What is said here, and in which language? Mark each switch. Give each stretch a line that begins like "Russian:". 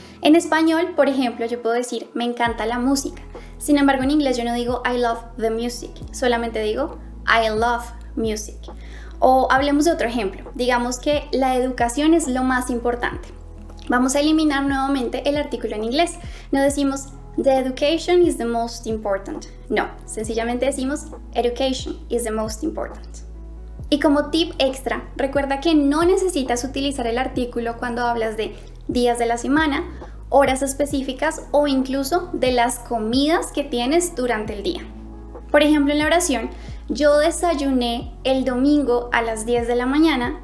Spanish: En español, por ejemplo, yo puedo decir me encanta la música. Sin embargo, en inglés yo no digo
English: I love the music,
Spanish: solamente digo
English: I love music.
Spanish: O hablemos de otro ejemplo. Digamos que la educación es lo más importante. Vamos a eliminar nuevamente el artículo en inglés. No decimos
English: the education is the most important.
Spanish: No, sencillamente decimos
English: education is the most important.
Spanish: Y como tip extra, recuerda que no necesitas utilizar el artículo cuando hablas de días de la semana, horas específicas o incluso de las comidas que tienes durante el día. Por ejemplo, en la oración, yo desayuné el domingo a las 10 de la mañana.